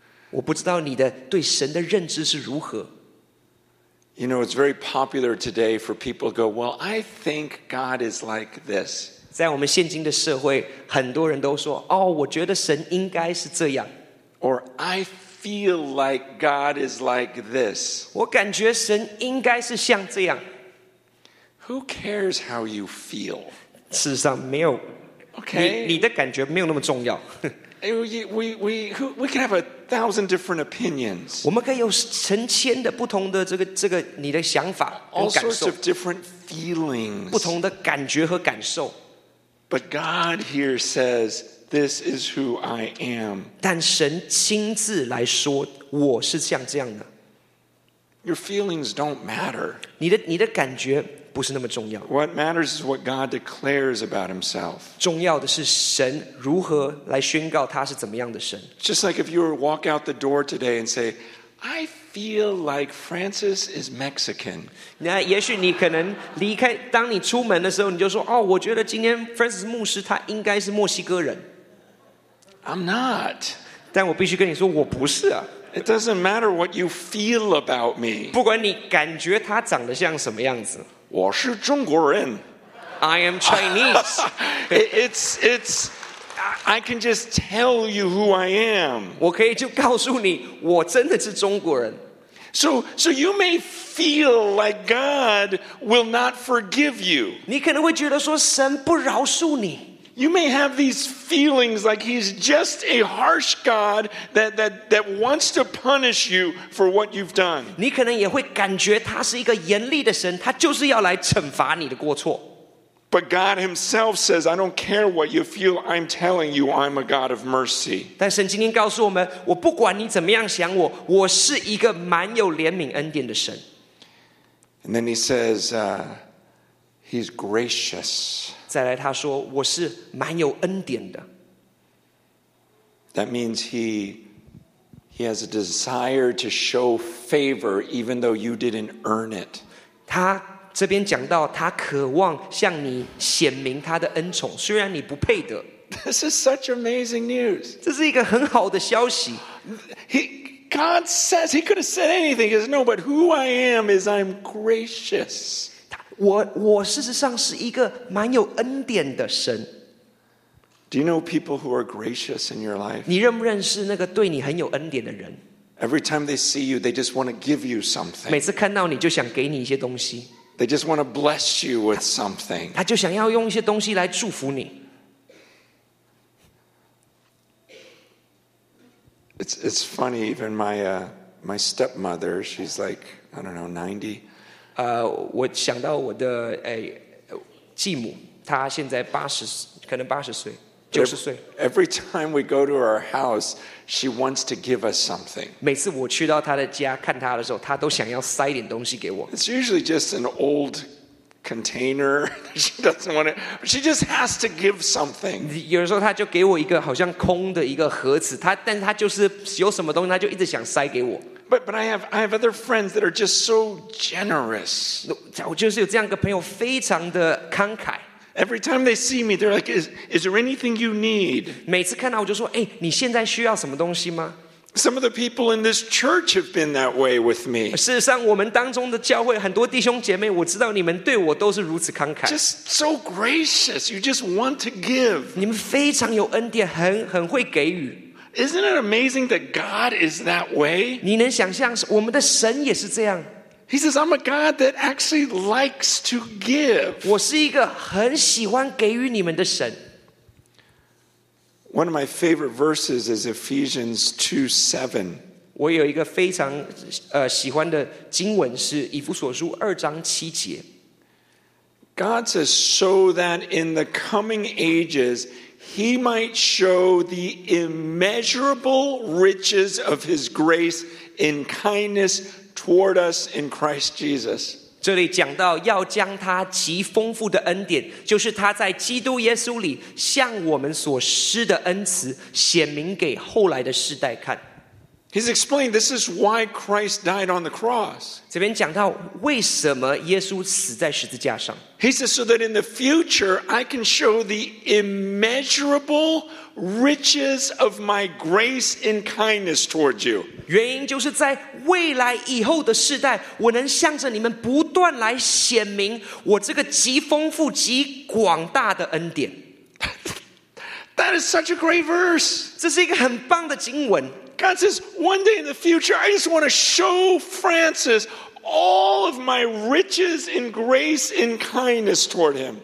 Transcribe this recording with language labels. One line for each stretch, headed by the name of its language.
Chinese: 我不知道你的对神的认知是如何。
English: You know, it's very popular today for people to go, well, I think God is like this.
Chinese: 在我们现今的社会，很多人都说，哦，我觉得神应该是这样。
English: Or I feel like God is like this.
Chinese: 我感觉神应该是像这样。
English: Who cares how you feel?
Chinese: 事实上没有。
English: Okay.
Chinese: 你的感觉没有那么重要。
English: we can have 1,000 different opinions.
Chinese: 我们可以有成千的不同的这个你的想法跟感受。
English: All sorts of different feelings.
Chinese: 不同的感觉和感受。
English: But God here says, this is who I am.
Chinese: 但神亲自来说，我是像这样的。
English: Your feelings don't matter.
Chinese: 你的感觉不是那么重要。
English: What matters is what God declares about himself.
Chinese: 重要的是神如何来宣告他是怎么样的神。
English: Just like if you were to walk out the door today and say, I feel like Francis is Mexican.
Chinese: 那也许你可能离开，当你出门的时候，你就说，哦，我觉得今天 Francis 牧师他应该是墨西哥人。
English: I'm not.
Chinese: 但我必须跟你说，我不是啊。
English: It doesn't matter what you feel about me.
Chinese: 不管你感觉他长得像什么样子。我是中国人。
English: I am Chinese. it's, I can just tell you who I am.
Chinese: 我可以就告诉你，我真的是中国人。
English: So you may feel like God will not forgive you.
Chinese: 你可能会觉得说神不饶恕你。
English: You may have these feelings like he's just a harsh God that wants to punish you for what you've done.
Chinese: 你可能也会感觉他是一个严厉的神，他就是要来惩罚你的过错。
English: But God himself says, I don't care what you feel, I'm telling you, I'm a God of mercy.
Chinese: 但神今天告诉我们，我不管你怎么样想我，我是一个蛮有怜悯恩典的神。
English: And then he says, he's gracious.
Chinese: 再来他说，我是蛮有恩典的。
English: That means he has a desire to show favor even though you didn't earn it.
Chinese: 他这边讲到他渴望向你显明他的恩宠，虽然你不配得。
English: This is such amazing news.
Chinese: 这是一个很好的消息。
English: God says he could have said anything. He says, no, but who I am is I'm gracious.
Chinese: 我事实上是一个蛮有恩典的神。
English: Do you know people who are gracious in your life?
Chinese: 你认不认识那个对你很有恩典的人？
English: Every time they see you, they just want to give you something.
Chinese: 每次看到你就想给你一些东西。
English: They just want to bless you with something.
Chinese: 他就想要用一些东西来祝福你。
English: It's funny, even my stepmother, she's like, I don't know, 90.
Chinese: 我想到我的继母，她现在80，可能80岁，90岁。
English: Every time we go to her house, she wants to give us something.
Chinese: 每次我去到她的家看她的时候，她都想要塞点东西给我。
English: It's usually just an old container. She doesn't want it. She just has to give something.
Chinese: 有的时候她就给我一个好像空的一个盒子，但是她就是有什么东西，她就一直想塞给我。
English: But I have other friends that are just so generous.
Chinese: 我就是有这样一个朋友，非常的慷慨。
English: Every time they see me, they're like, "Is there anything you need?"
Chinese: 每次看到我就说，哎，你现在需要什么东西吗？
English: Some of the people in this church have been that way with me.
Chinese: 事实上，我们当中的教会很多弟兄姐妹，我知道你们对我都是如此慷慨。
English: Just so gracious, you just want to give.
Chinese: 你们非常有恩典，很会给予。
English: Isn't it amazing that God is that way?
Chinese: 你能想象我们的神也是这样？
English: He says, "I'm a God that actually likes to give."
Chinese: 我是一个很喜欢给予你们的神。
English: One of my favorite verses is Ephesians 2:7.
Chinese: 我有一个非常喜欢的经文是以弗所书二章七节。
English: God says, so that in the coming ages he might show the immeasurable riches of his grace in kindness toward us in Christ Jesus.
Chinese: 这里讲到要将他极丰富的恩典，就是他在基督耶稣里向我们所施的恩慈，显明给后来的世代看。
English: He's explained this is why Christ died on the cross.
Chinese: 这边讲到为什么耶稣死在十字架上。
English: He says so that in the future I can show the immeasurable riches of my grace and kindness towards you.
Chinese: 原因就是在未来以后的世代，我能向着你们不断来显明我这个极丰富、极广大的恩典。
English: That is such a great verse.
Chinese: 这是一个很棒的经文。
English: God says, one day in the future, I just want to show Francis all of my riches in grace and kindness toward him.